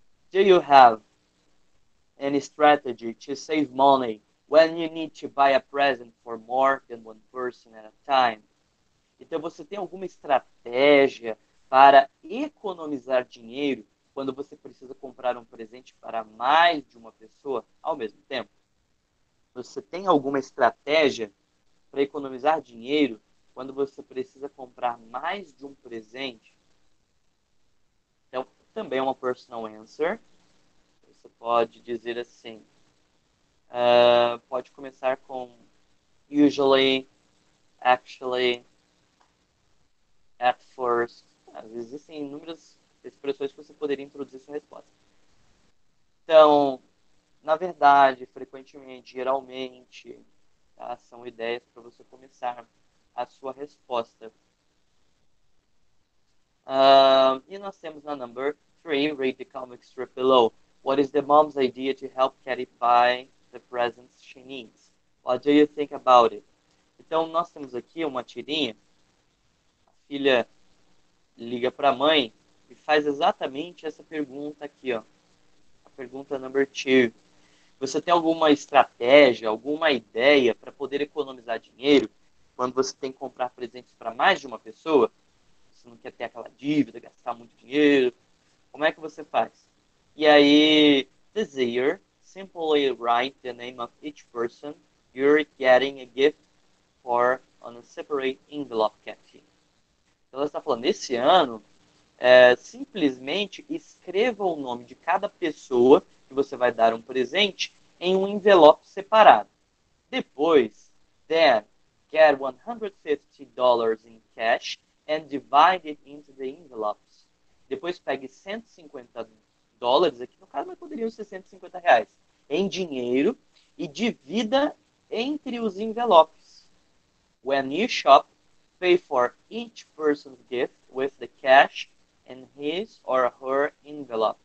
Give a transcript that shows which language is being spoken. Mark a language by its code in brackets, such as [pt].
[en] Do you have any strategy to save money when you need to buy a present for more than one person at a time? [pt] Então, você tem alguma estratégia para economizar dinheiro quando você precisa comprar um presente para mais de uma pessoa ao mesmo tempo? Você tem alguma estratégia para economizar dinheiro quando você precisa comprar mais de um presente? Então, também é uma personal answer. Você pode dizer assim, pode começar com [en] usually, actually, at first. [pt] Existem inúmeras expressões que você poderia introduzir sua resposta. Então, na verdade, frequentemente, geralmente, tá? São ideias para você começar a sua resposta. E nós temos na number 3, [en] read the comic strip below. What is the mom's idea to help Katie buy the presents she needs? What do you think about it? [pt] Então, nós temos aqui uma tirinha. A filha liga para a mãe e faz exatamente essa pergunta aqui, ó. A pergunta number 2. Você tem alguma estratégia, alguma ideia para poder economizar dinheiro quando você tem que comprar presentes para mais de uma pessoa? Você não quer ter aquela dívida, gastar muito dinheiro? Como é que você faz? E aí, [en] desire, simply write the name of each person you're getting a gift for on a separate envelope, Kathy. [pt] Então, ela está falando, esse ano, simplesmente escreva o nome de cada pessoa que você vai dar um presente em um envelope separado. [en] Depois, then, get $150 in cash and divide it into the envelopes. [pt] Depois, pegue $150, aqui no caso, mas poderiam ser R$150, em dinheiro e divida entre os envelopes. [en] When you shop, pay for each person's gift with the cash in his or her envelope.